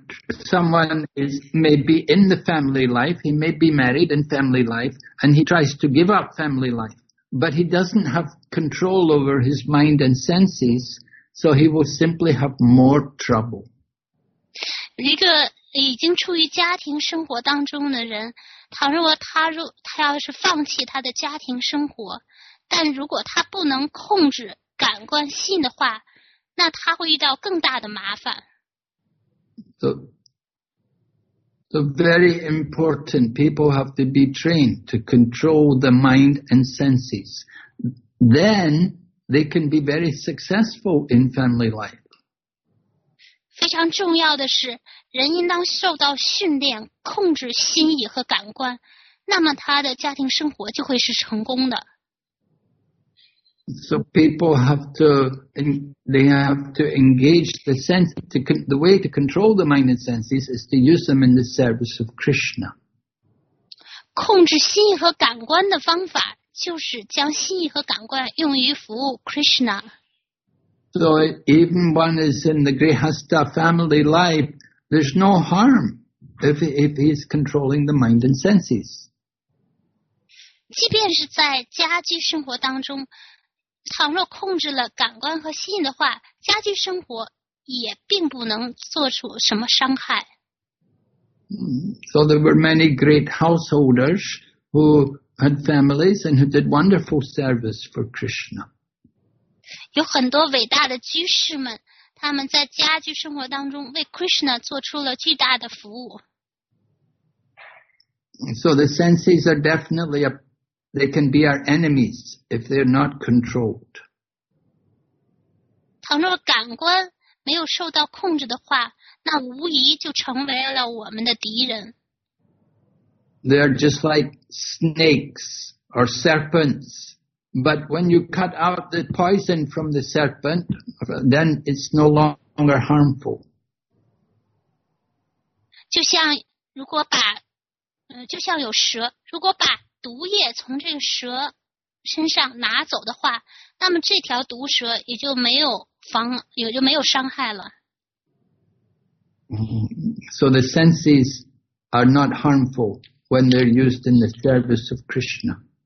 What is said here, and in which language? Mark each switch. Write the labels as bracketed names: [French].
[English] Someone is maybe in the family life, he may be married in family life, and he tries to give up family life, but he doesn't have control over his mind and senses, so he will simply have more trouble. [Chinese] 一个已经处于家庭生活当中的人，倘若他要是放弃他的家庭生活，但如果他不能控制感官性的话，那他会遇到更大的麻烦。 [English] So very important, people have to be trained to control the mind and senses. Then they can be very successful in family life. [Chinese] 非常重要的是，人应当受到训练，控制心意和感官，那么他的家庭生活就会是成功的。 [English] So people have to, they have to engage the sense, the way to control the mind and senses is to use them in the service of Krishna. [Chinese] 控制心意和感官的方法，就是将心意和感官用于服务 Krishna。 [English] So even one is in the Grihastha family life, there's no harm if he's controlling the mind and senses. [Chinese] 即便是在家居生活当中，倘若控制了感官和心的话，家居生活也并不能做出什么伤害。 [English] So there were many great householders who had families and who did wonderful service for Krishna. [Chinese] 有很多伟大的居士们，他们在家居生活当中为 Krishna 做出了巨大的服务。 [English] So the senses are definitely a, they can be our enemies if they're not controlled. [Chinese] 倘若感官没有受到控制的话，那无疑就成为了我们的敌人。 [English] They are just like snakes or serpents. But when you cut out the poison from the serpent, then it's no longer harmful. [Chinese] 就像如果把就像有蛇，如果把毒液从这个蛇身上拿走的话，那么这条毒蛇也就没有防，也就没有伤害了。 [English] So the senses are not harmful when they're used in the service of Krishna.